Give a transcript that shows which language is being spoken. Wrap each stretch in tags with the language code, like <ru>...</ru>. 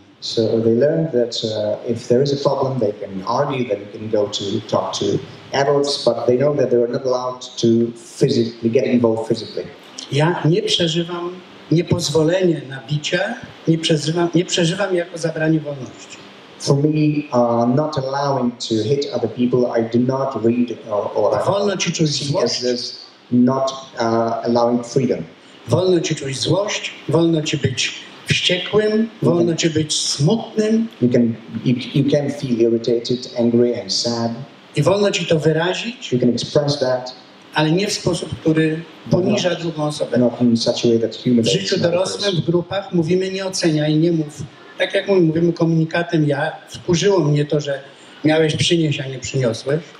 <en>So they learned that if there is a problem, they can argue, they can go to talk to adults, but they know that they are not allowed to physically get involved physically.</en> <pl>Ja nie przeżywam niepozwolenie na bicie, nie przeżywam jako zabranie wolności.</pl> <en>For me, not allowing to hit other people, I do not read or</en> <pl>wolność czuć złość.</pl> <en>See as not allowing freedom.</en> <pl>Wolność czuć złość, wolność być wściekłym, wolno cię być smutnym.</pl> <en>You can feel irritated, angry and sad.</en> <pl>I wolno ci to wyrazić.</pl> <en>You can express that.</en> <pl>Ale nie w sposób, który poniża drugą osobę.</pl> <en>Not in such a way that humiliates.</en> <pl>W życiu dorosłym, w grupach mówimy, nie oceniaj, nie mów. Tak jak mówimy komunikatem, ja wkurzyło mnie to, że miałeś przynieść, a nie przyniosłeś.</pl>